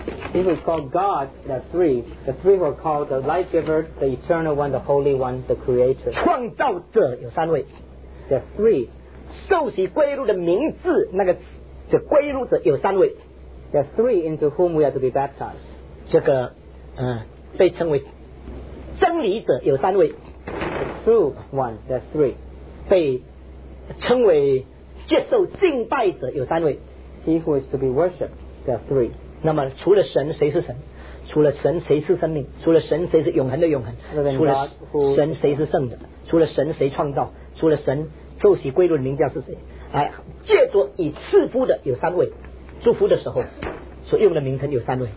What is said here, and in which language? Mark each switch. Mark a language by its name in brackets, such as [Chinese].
[English] He was called God, the three were called the life giver, the eternal one, the holy one, the creator. [Chinese] 创造者有三位。 [English] The three. [Chinese] 受洗归入的名字，那个这归入者有三位。 [English] The three into whom we are to be baptized. [Chinese] 这个被称为真理者有三位。 [English] The true one, the three. [Chinese] 被称为接受敬拜者有三位。 [English] He who is to be worshipped, the three. [Chinese] 那么除了神谁是神，除了神谁是生命，除了神谁是永恒的永恒，除了神谁是圣的，除了神谁创造，除了神受洗归入的名叫是谁，哎，借着以赐福的有三位，祝福的时候所用的名称有三位。